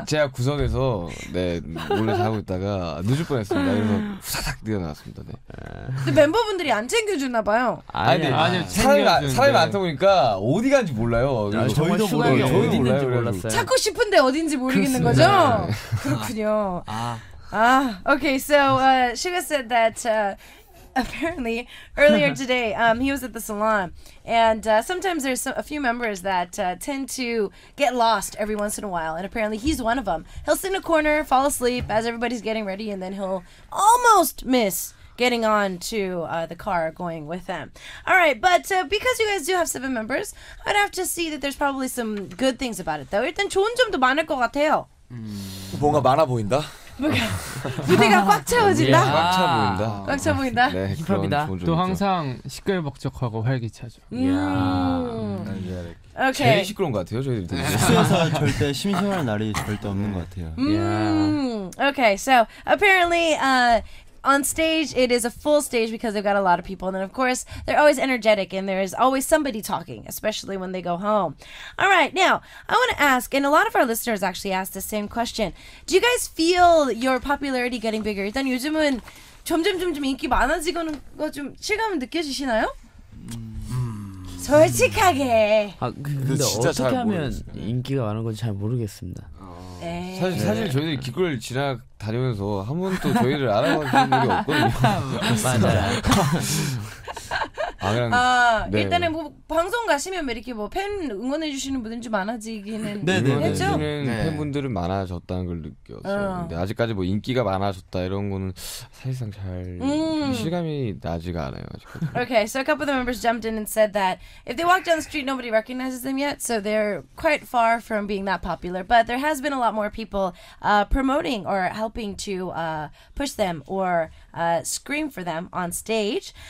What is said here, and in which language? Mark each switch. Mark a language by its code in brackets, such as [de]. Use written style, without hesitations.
[ko] 네, 제가 구석에서 네 몰래 자고 있다가 늦을 뻔했습니다. 그래서 후사닥 뛰어나왔습니다. 네. 근데 멤버분들이 안 챙겨주나 봐요. 아니요. 사람이 많다 보니까 어디 간지 몰라요. 야, 저희도 몰라요. 저희도 몰라요. 몰랐어요. 찾고 싶은데 어딘지 모르겠는 그렇습니다. 거죠? 네. 그렇군요. [en] okay, so Suga said that apparently earlier today he was at the salon and sometimes there's a few members that tend to get lost every once in a while and apparently he's one of them. He'll sit in a corner, fall asleep as everybody's getting ready and then he'll almost miss getting on to the car going with them. All right, but because you guys do have 7 members, I'd have to see that there's probably some good things about it though. [ko] 일단 좋은 점도 많을 것 같아요. 뭔가 많아 보인다? 무대가 꽉 채워진다? 꽉 차 보인다. 꽉 차 보인다? 네, 힙합이다. 또 있죠. 항상 시끌벅적하고 활기차죠. 이야. 오케이. 제일 시끄러운 것 같아요, 저희들. 숙소에서 절대 심심할 날이 절대 없는 것 같아요. [en] 오케이, so apparently on stage, it is a full stage because they've got a lot of people. And then, of course, they're always energetic and there's always somebody talking, especially when they go home. All right. Now, I want to ask, and a lot of our listeners actually asked the same question. Do you guys feel your popularity getting bigger? [ko] 일단 요즘은 점점 인기 많아지는 거 좀 실감 느껴지시나요? 솔직하게. 아, 근데 어떻게 하면 인기가 많은 건지 잘 모르겠습니다. 사실 저희들이 길거리를 지나다니면서 한 번도 저희를 알아본 적이 없거든요. 맞아요. 아, 그냥, 네. 일단은 뭐 방송 가시면 이렇게 뭐 팬 응원해주시는 분들 좀 많아지기는 했죠? 네. 팬분들은 많아졌다는 걸 느꼈어요. 근데 아직까지 뭐 인기가 많아졌다 이런 거는 사실상 잘 실감이 나지가 않아요. [en] Okay, so a couple of the members jumped in and said that if they walk down the street, nobody recognizes them yet, so they're quite far from being that popular. But there has been a lot more people promoting or helping to push them or scream for them on stage.